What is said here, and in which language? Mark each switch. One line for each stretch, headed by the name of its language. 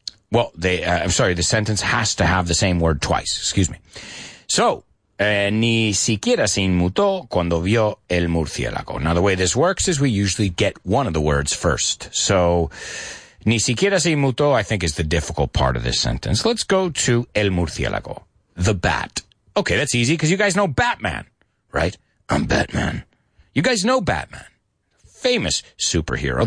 English: the sentence has to have the same word twice. Excuse me. So...
Spanish: ni siquiera se inmutó cuando vio el murciélago.
English: Now, the way this works is we usually get one of the words first. So, ni siquiera se inmutó, I think, is the difficult part of this sentence. Let's go to el murciélago. The bat. Okay, that's easy because you guys know Batman, right? I'm Batman. You guys know Batman. Famous superhero.